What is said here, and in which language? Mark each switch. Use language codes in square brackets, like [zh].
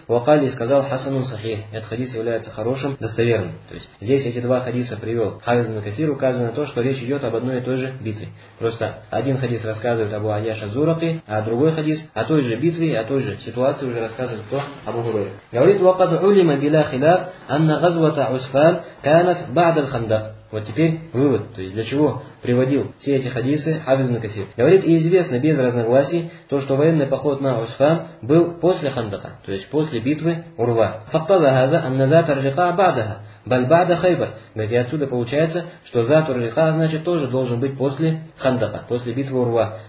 [ru] Вакали сказал [ar] хасанун сахих. [ru] Этот хадис является хорошим, достоверным. То есть, здесь эти два хадиса привел Хафиз ибн Касир, указывая на то, что речь идет об одной и той же битве. Просто один хадис рассказывает об Аяш аз-Зураки, а другой хадис о той же битве, о той же ситуации уже рассказывает кто? Абу Хурайра. Говорит, [ar] وقد علم بلا خلاف أن غزوة عسفان كانت بعد الخندق. [ru] Вот теперь вывод, то есть для чего приводил все эти хадисы Хафиз ибн Касир. Говорит, и известно без разногласий то, что военный поход на Усфан был после Хандака, то есть после битвы Урва. [ar] Фактаза газа анназат ар-рика бадаха, бальбада хайбар. [ru] Говорит, и отсюда получается, что зат ар-рика значит тоже должен быть после Хандака, после битвы Урва.